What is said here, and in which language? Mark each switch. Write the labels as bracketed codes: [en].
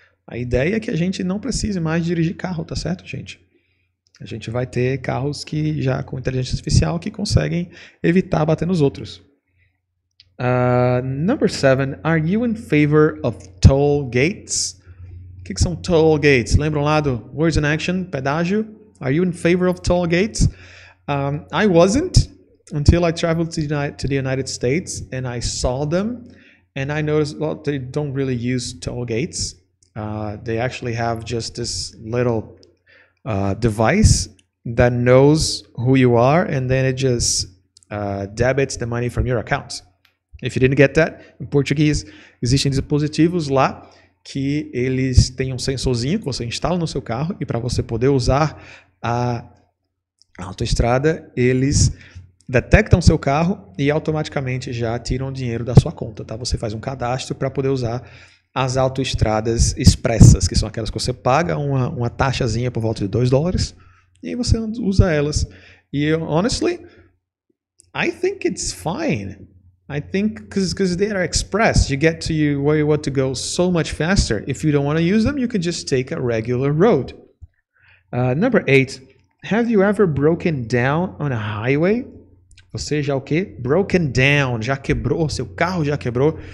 [pt] A ideia é que a gente não precise mais dirigir carro, tá certo, gente? A gente vai ter carros que já com inteligência artificial que conseguem evitar bater nos outros. [en] Number 7, are you in favor of toll gates? [pt] O que são toll gates? Lembram lá do Words in Action, pedágio? [en] Are you in favor of toll gates? I wasn't until I traveled to the United States and I saw them. And I noticed, well, they don't really use toll gates. They actually have just this little device that knows who you are. And then it just debits the money from your account. If you didn't get that, in Portuguese, [pt] existem dispositivos lá que eles têm um sensorzinho que você instala no seu carro e para você poder usar a autoestrada, eles detectam seu carro e automaticamente já tiram dinheiro da sua conta, tá? Você faz um cadastro para poder usar as autoestradas expressas, que são aquelas que você paga uma taxazinha por volta de $2 e você usa elas. E, [en] honestly, I think it's fine. I think because they are express, you get to you where you want to go so much faster. If you don't want to use them, you can just take a regular road. Number 8, have you ever broken down on a highway? [pt] Você já o quê? [en] Broken down, [pt] já quebrou, seu carro já quebrou.